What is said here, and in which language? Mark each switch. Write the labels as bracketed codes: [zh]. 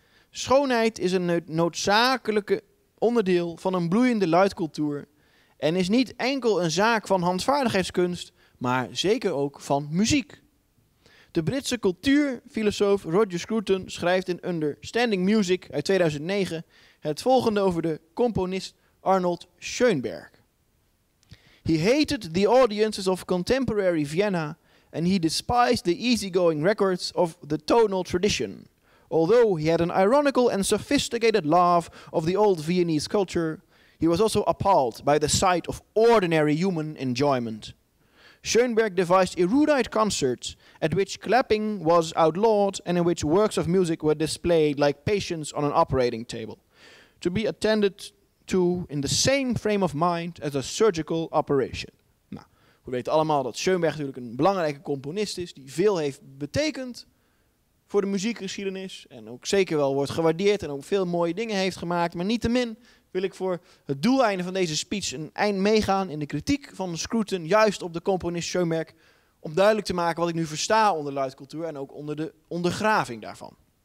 [nl] Schoonheid is een noodzakelijke onderdeel van een bloeiende luidcultuur en is niet enkel een zaak van handvaardigheidskunst, maar zeker ook van muziek. De Britse cultuurfilosoof Roger Scruton schrijft in Understanding Music uit 2009 het volgende over de componist Arnold Schoenberg. [en] He hated the audiences of contemporary Vienna and he despised the easygoing records of the tonal tradition. Although he had an ironical and sophisticated love of the old Viennese culture, he was also appalled by the sight of ordinary human enjoyment. Schoenberg devised erudite concerts at which clapping was outlawed and in which works of music were displayed like patients on an operating table, to be attended to in the same frame of mind as a surgical operation. [nl] Nou, we weten allemaal dat Schoenberg natuurlijk een belangrijke componist is die veel heeft betekend voor de muziekgeschiedenis en ook zeker wel wordt gewaardeerd en ook veel mooie dingen heeft gemaakt. Maar niettemin wil ik voor het doeleinde van deze speech een eind meegaan in de kritiek van Scruton juist op de componist Schoenberg, om duidelijk te maken wat ik nu versta onder luidcultuur en ook onder de ondergraving daarvan.